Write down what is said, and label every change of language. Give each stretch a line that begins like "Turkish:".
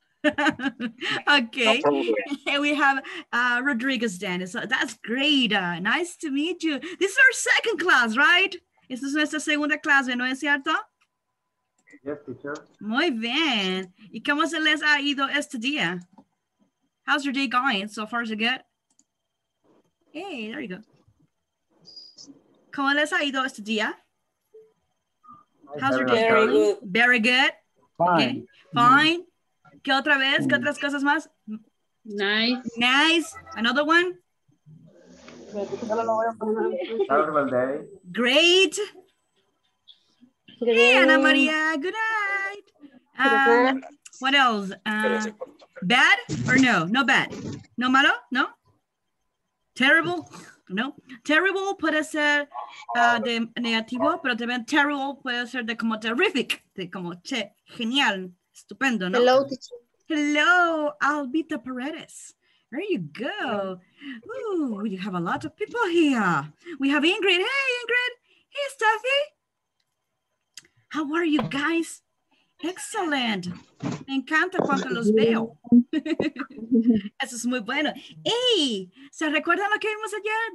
English: Okay. And we have Rodriguez Dennis. That's great. Nice to meet you. This is our second class, right?
Spanish: Esta es nuestra segunda clase, ¿no es cierto?
English: Yes, teacher.
Spanish: Muy bien. ¿Y cómo se les ha ido este día?
English: How's your day going so far as you get? Hey, there you go.
Spanish: ¿Cómo les ha ido este día?
English: How's your day going? Very good. Fine.
Spanish: ¿Qué otra vez? ¿Qué otras cosas más?
English: Nice. Another one? Great. Hey, Ana Maria, good night. What else? Bad or no? No bad.
Spanish: No malo?
English: No? Terrible? No.
Spanish: Terrible puede ser de negativo, pero también terrible puede ser de como terrific, de como che, genial, estupendo, ¿no?
English: Hello, teacher. Hello, Albita Paredes. There you go. Ooh, we have a lot of people here. We have Ingrid. Hey, Ingrid. Hey, Steffi. How are you guys? Excellent.
Spanish: Me encanta cuando los veo. Eso es muy bueno. Hey, ¿se recuerdan lo que vimos ayer?